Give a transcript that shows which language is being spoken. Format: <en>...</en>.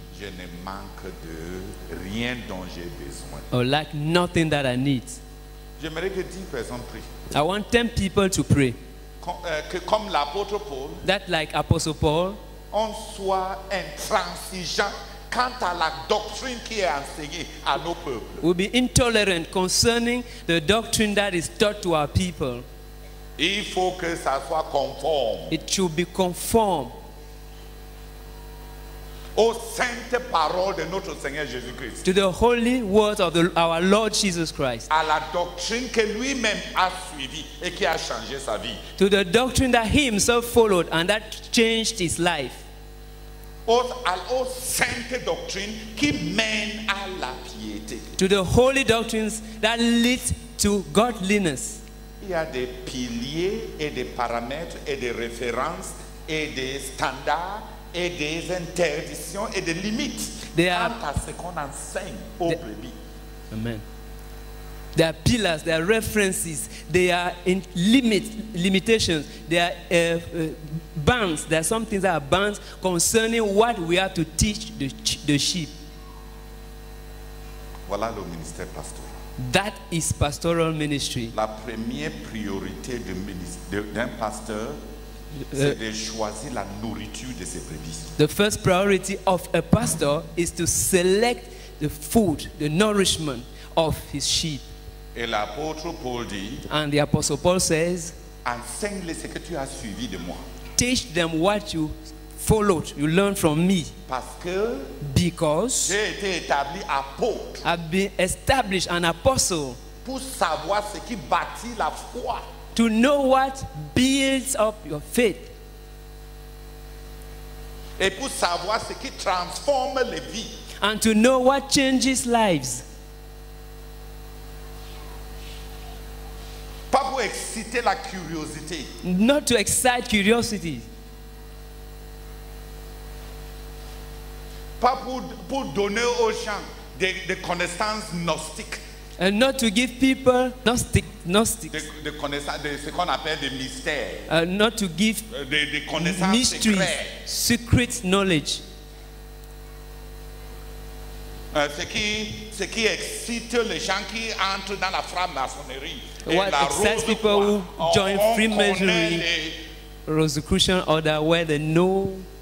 <fr>je ne manque de rien dont j'ai besoin.</fr> <en>Or like nothing that I need.</en> <fr>J'aimerais que 10 personnes prient.</fr> <en>I want 10 people to pray.</en> <fr>Que comme l'apôtre Paul,</fr> <en>that like Apostle Paul,</en> <fr>on soit intransigeant quant à la doctrine qui est enseignée à nos peuples.</fr> <en>We'll be intolerant concerning the doctrine that is taught to our people.</en> <fr>Il faut que ça soit conforme.</fr> <en>It should be conform.</en> <fr>Aux saintes paroles de notre Seigneur Jésus-Christ.</fr> <en>To the holy words of our Lord Jesus Christ.</en> <fr>À la doctrine que lui-même a suivie et qui a changé sa vie.</fr> <en>To the doctrine that he himself followed and that changed his life.</en> <fr>Aux saintes doctrines qui mènent à la piété.</fr> <en>To the holy doctrines that lead to godliness.</en> <fr>Il y a des piliers et des paramètres et des références et des standards et des interdictions et des limites quant à ce qu'on enseigne aux brebis. Amen.</fr> <en>There are pillars, there are references, there are limitations, there are bands, there are some things that are bands concerning what we have to teach the sheep.</en> <fr>Voilà le ministère pastoral.</fr> <en>That is pastoral ministry.</en> <fr>La première priorité d'un pasteur, c'est de choisir la nourriture de ses brebis.</fr> <en>The first priority of a pastor is to select the food, the nourishment of his sheep.</en> <fr>Et l'apôtre Paul dit,</fr> <en>and the apostle Paul says,</en> <fr>enseigne-les ce que tu as suivi de moi.</fr> <en>Teach them what you followed, you learned from me.</en> <fr>Parce que</fr> <en>because</en> <fr>j'ai été établi apôtre.</fr> <en>I've been established an apostle.</en> <fr>pour savoir ce qui bâtit la foi.</fr> <en>To know what builds up your faith.</en> <fr>Et pour savoir ce qui transforme les vies.</fr> <en>And to know what changes lives.</en> <fr>Pas pour exciter la curiosité.</fr> <en>Not to excite curiosity.</en> <fr>Pas pour donner aux gens des connaissances gnostiques.</fr> <en>And not to give people gnostics.</en> <fr>The connaissances, ce qu'on appelle des mystères.</fr> <en>Not to give the connaissances mysteries, secret knowledge.</en> <fr>Ce qui excite les gens qui entrent dans la franc-maçonnerie.</fr> <en>What excites people who join Freemasonry, Rosicrucian order, where they know?</en>